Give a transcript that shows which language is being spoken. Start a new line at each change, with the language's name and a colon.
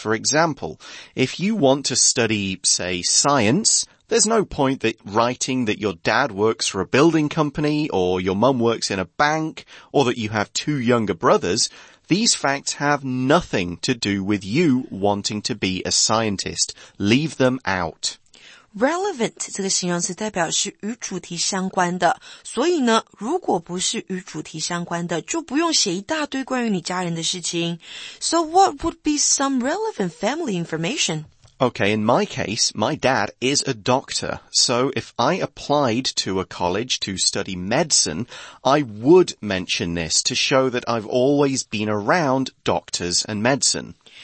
English: For example, if you want to study, say, science, there's no point that writing that your dad works for a building company or your mum works in a bank or that you have two younger brothers. These facts have nothing to do with you wanting to be a scientist. Leave them out.
Chinese: Relevant 这个形容词代表是与主题相关的，所以呢，如果不是与主题相关的，就不用写一大堆关于你家人的事情。
English: So what would be some relevant family information? Okay, in my case, my dad is a doctor. So if I applied to a college to study medicine, I would mention this to show that I've always been around doctors and medicine.